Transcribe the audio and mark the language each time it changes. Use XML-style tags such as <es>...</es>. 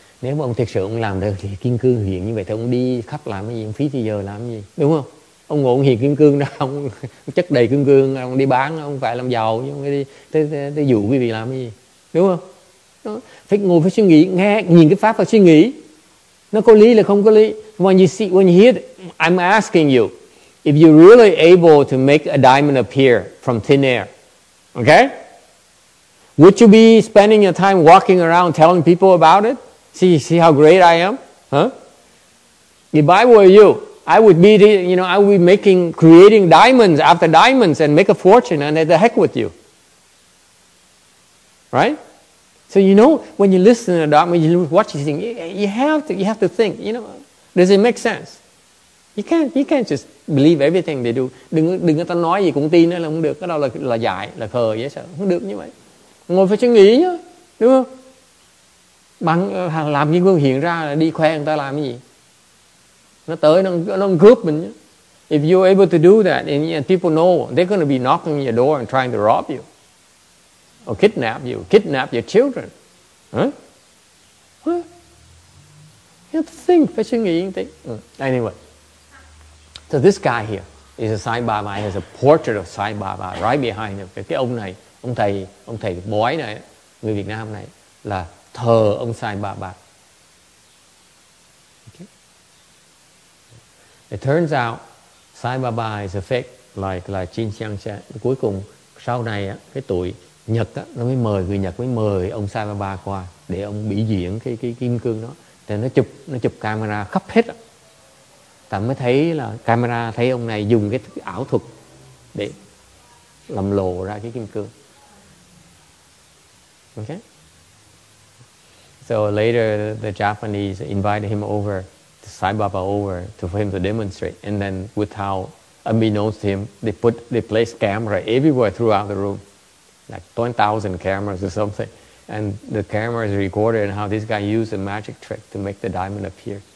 <vi>Nếu mà ông thiệt sự ông làm được thì kim cương hiện như vậy thì ông đi khắp làm cái gì, ông phí thì giờ làm cái gì, đúng không? Ông ngộ ông hiện kim cương đó, ông chất đầy kim cương, ông đi bán, ông phải làm giàu, ông đi tới dụ quý vị làm cái gì, đúng không? Đó. Phải ngồi phải suy nghĩ, nghe, nhìn cái pháp và suy nghĩ. Nó có lý là không có lý.</vi> <en>When you hear it, I'm asking you, if you're really able to make a diamond appear from thin air, okay? Would you be spending your time walking around telling people about it? See how great I am? Huh? If I were you, I would be, you know, I would be making, creating diamonds after diamonds and make a fortune and the heck with you. Right? So you know, when you listen to the Dharma, you watch this thing, you have to think, you know, does it make sense? You can't just believe everything they do.</en> <vi>Đừng người ta nói gì cũng tin, đó là không được, cái đó là dại, là khờ, dễ sợ, không được như vậy. Ngồi phải suy nghĩ nhá, đúng không? Bằng làm kim cương hiện ra là đi khoe người ta làm cái gì? Nó tới, nó cướp mình nhá.</vi> <en>If you're able to do that, and people know, they're going to be knocking your door and trying to rob you. Or kidnap your children. Huh? You have to think,</en> <vi>phải suy nghĩ như thế.</vi> <en>Anyway. So this guy here is a Sai Baba. He has a portrait of Sai Baba right behind him.</en> <vi>Cái ông này, ông thầy bói này, người Việt Nam này, là thờ ông Sai Baba.</vi> <en>Okay. It turns out Sai Baba is a fake, like Chin Xiang Xe.</en> <vi>Cuối cùng, sau này, cái tuổi Nhật á, nó mới mời người Nhật mới mời ông Sai Baba qua để ông bị diễn cái kim cương đó, thì nó chụp camera khắp hết, ta mới thấy là camera thấy ông này dùng cái ảo thuật để làm lộ ra cái kim cương.</vi> <en>Okay. So later the Japanese invited him over, the Sai Baba over, to for him to demonstrate, and then without unbeknownst to him, they placed camera everywhere throughout the room. Like 20,000 cameras or something. And the cameras recorded how this guy used a magic trick to make the diamond appear.</en>